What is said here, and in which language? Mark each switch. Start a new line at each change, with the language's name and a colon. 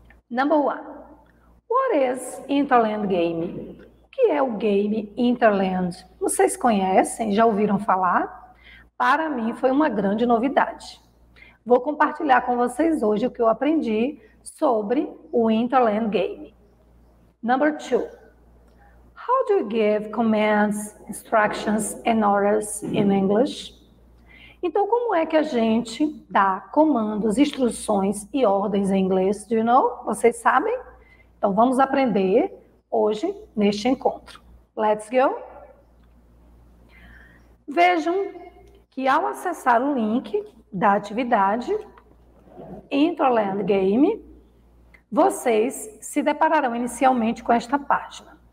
English: Number one, what is Interland Game?
Portuguese: O que é o game Interland? Vocês conhecem? Já ouviram falar? Para mim foi uma grande novidade. Vou compartilhar com vocês hoje o que eu aprendi sobre o Interland Game.
English: Number two, how do you give commands, instructions and orders in English?
Portuguese: Então, como é que a gente dá comandos, instruções e ordens em inglês?
English: Do you know?
Portuguese: Vocês sabem? Então, vamos aprender hoje neste encontro.
English: Let's go!
Portuguese: Vejam que ao acessar o link da atividade Interland Game, vocês se depararão inicialmente com esta página.